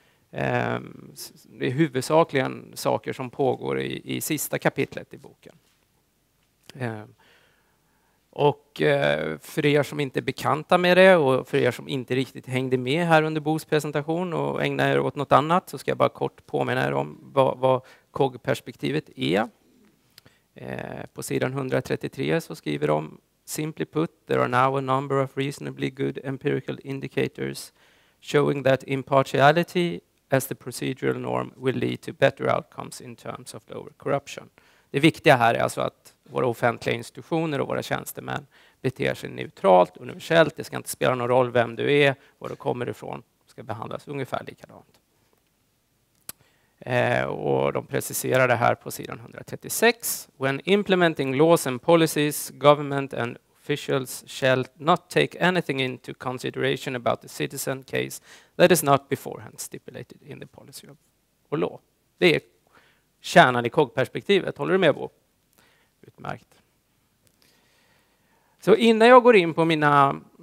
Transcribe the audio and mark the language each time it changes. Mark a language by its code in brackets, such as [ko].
[sv] Det är huvudsakligen saker som pågår i sista kapitlet i boken. Och för er som inte är bekanta med det och för er som inte riktigt hängde med här under Bos presentation och ägnar er åt något annat, så ska jag bara kort påminna er om vad COG-perspektivet är. På sidan 133 så skriver de: [en] "Simply put, there are now a number of reasonably good empirical indicators showing that impartiality as the procedural norm will lead to better outcomes in terms of lower corruption." [sv] Det viktiga här är alltså att våra offentliga institutioner och våra tjänstemän beter sig neutralt, universellt. Det ska inte spela någon roll vem du är, var du kommer ifrån. Det ska behandlas ungefär likadant. Och de preciserar det här på sidan 136. [en] "When implementing laws and policies, government and officials shall not take anything into consideration about the citizen case that is not beforehand stipulated in the policy or law." [sv] Det är kärnan i COG-perspektivet. Håller du med, Bo? Utmärkt. Så innan jag går in på mina...